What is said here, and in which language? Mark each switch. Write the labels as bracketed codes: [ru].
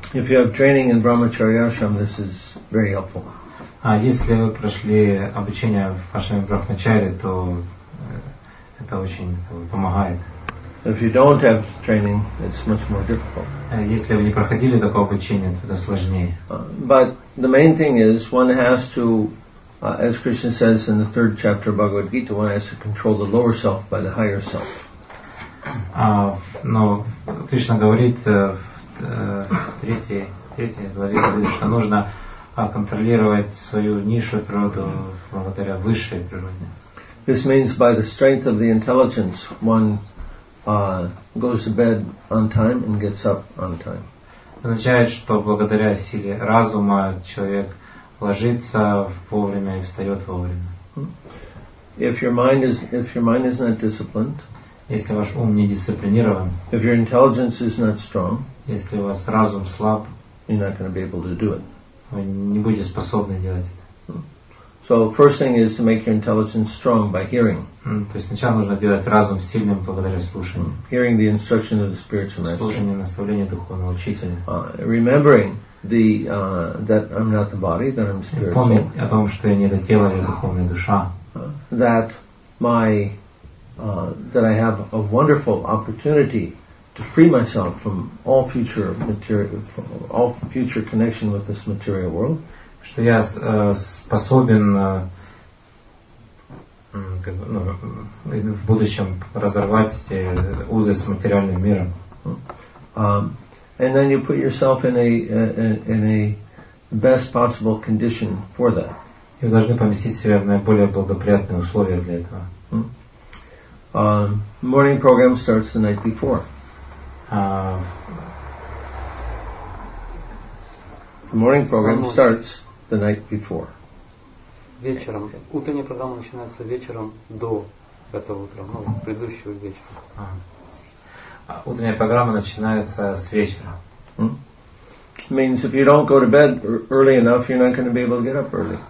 [en] If you have training in Brahmacharya Ashram, this is very helpful. [ru] А если вы прошли обучение в вашем брахмачаре, то это очень помогает. [en] If you don't have training, it's much more difficult. [ru] Если вы не проходили такое обучение, то это сложнее. [en] But the main thing is, one has to, as Krishna says in the third chapter of Bhagavad Gita, one has to control the lower self by the higher self. [ru] Но Кришна говорит в третьей главе, что нужно контролировать свою низшую природу благодаря высшей природе. [en] This means by the strength of the intelligence, one goes to bed on time and gets up on time. [ru] Означает, что благодаря силе разума человек ложится вовремя и встает вовремя. [en] If your mind is not disciplined, [ru] если ваш ум не дисциплинирован, [en] if your intelligence is not strong, [ru] если у вас разум слаб, [en] you're not going to be able to do it. [ru] Вы не будете способны делать это. [en] So first thing is to make your intelligence strong by hearing. [ru] То есть сначала нужно делать разум сильным благодаря слушанию. [en] Hearing the instruction of the spiritual master. [ru] Слушание наставления духовного учителя. [en] Remembering that I'm not the body, that I'm spiritual. [ru] Помнить о том, что я не это тело, я духовная душа. [en] That I have a wonderful opportunity to free myself from all future material, all future connection with this material world. [ru] Что я способен в будущем разорвать эти узы с материальным миром. [en] And then you put yourself in a best possible condition for that. [ru] И вы должны поместить себя в наиболее благоприятные условия для этого. [en] Morning program starts the night before. The morning program starts the night before. [ru] Вечером. Утренняя программа начинается вечером до этого утра, предыдущего вечера. Утренняя программа начинается с вечера. [en] Means if you don't go to bed early enough, you're not going to be able to get up early.